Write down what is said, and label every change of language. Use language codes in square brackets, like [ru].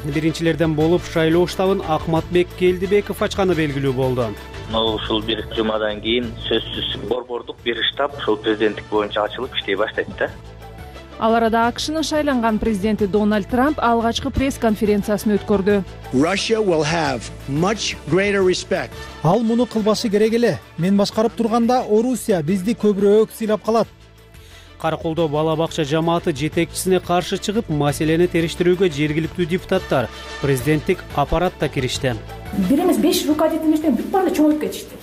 [ky] Биринчилерден болуп шайлоо штабын Акматбек Келдибеков ачканы белгилүү болду. Ушул бир жумадан кийин сөзсүз борбордук бир штаб ушул президенттик боюнча ачылып иштей баштайт да. Ал арада АКШнын шайланган президенти Дональд Трамп алгачкы пресс-конференциясын өткөрдү. [en] Russia will have much greater respect. [ky] Ал муну кылбашы керек эле. Мен башкарып турганда Орусия бизди көбүрөөк сыйлап калат. Каракулдо бала бакча жамааты жетекчисине каршы чыгып, маселени териштирүүгө жергиликтүү депутаттар, президенттик аппарат да киришти. Бир эмес 5 руководительниктен бүт баары чоңойуп кетишти.